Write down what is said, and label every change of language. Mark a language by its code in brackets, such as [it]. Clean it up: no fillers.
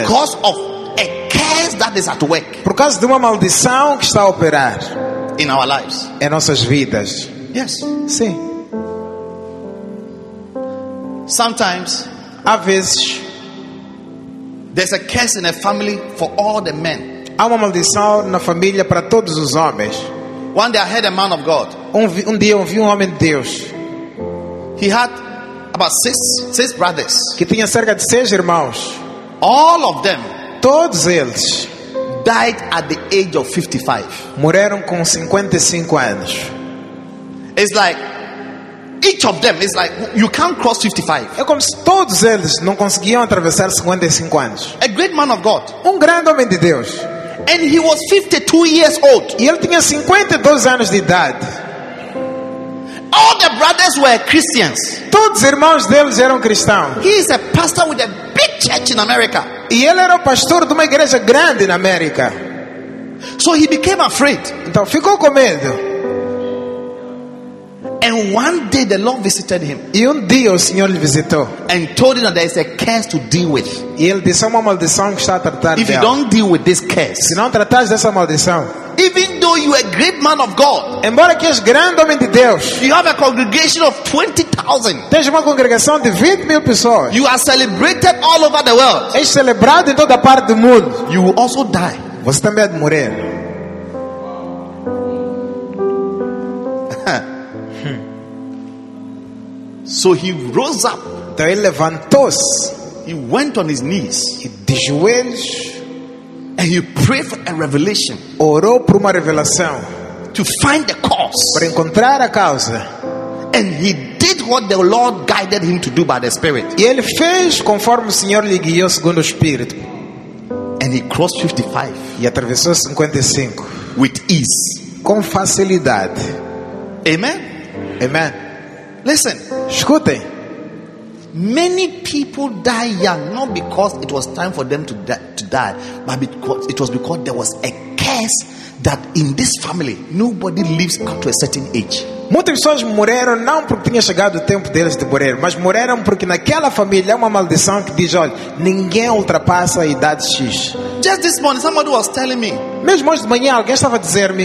[en] because of a curse that is at work, [pt] por causa de uma maldição que está a operar, [en] in our lives, [pt] em nossas vidas. [en] Yes, [pt] sim. [en] Sometimes, [pt] às vezes, [en] there's a curse in a family for all the men. [pt] Há uma maldição na família para todos os homens. [en] One day I heard a man of God. [pt] Um dia ouvi um homem de Deus. [en] He had about six brothers. [pt] Que tinha cerca de 6 irmãos. [en] All of them, [pt] todos eles, [en] died at the age of 55. [pt] Morreram com 55 anos. [en] It's like each of them is like you can't cross 55. [pt] É como se todos eles não conseguiam atravessar 55 anos. [en] A great man of God. [pt] Um grande homem de Deus. [en] And he was 52 years old. [pt] E ele tinha 52 anos de idade. [en] All the brothers were Christians. [pt] Todos os irmãos deles eram cristãos. [en] He is a pastor with a big church in America. [pt] E ele era o pastor de uma igreja grande na América. [en] So he became afraid. [pt] Então ficou com medo. [en] And one day the Lord visited him. [pt] E dia o Senhor lhe visitou. [en] And told him that there is a curse to deal with. [pt] E ele disse uma maldição que está a tratar. [en] If you don't deal with this curse, [pt] se não tratares dessa maldição, [en] even though you are a great man of God, [pt] embora que és grande homem de Deus, [en] you have a congregation of 20,000. [pt] Tens uma congregação de 20,000 pessoas. [en] You are celebrated all over the world. [pt] És celebrado em toda parte do mundo. [en] You will also die. [pt] Você também há de morrer. [en] So he rose up. [pt] Então ele levantou-se. [en] He went on his knees. [pt] De joelhos. [en] And he prayed for a revelation. [pt] Orou por uma revelação. [en] To find the cause. [pt] Para encontrar a causa. [en] And he did what the Lord guided him to do by the Spirit. [pt] E ele fez conforme o Senhor lhe guiou segundo o Espírito. [en] And he crossed 55. [pt] E atravessou 55. [en] With ease. [pt] Com facilidade. [en] Amen. Amen. Listen, [pt] escutem. [en] Many people die young, not because it was time for them to die, but because it was because there was a curse that in this family nobody lives up to a certain age. [pt] Muitas pessoas morreram não porque tinha chegado o tempo deles de morrer, mas morreram porque naquela família é uma maldição que diz, olha, ninguém ultrapassa a idade X. [en] Just this morning, somebody was telling me. [pt] Mesmo hoje de manhã, alguém estava a dizer-me.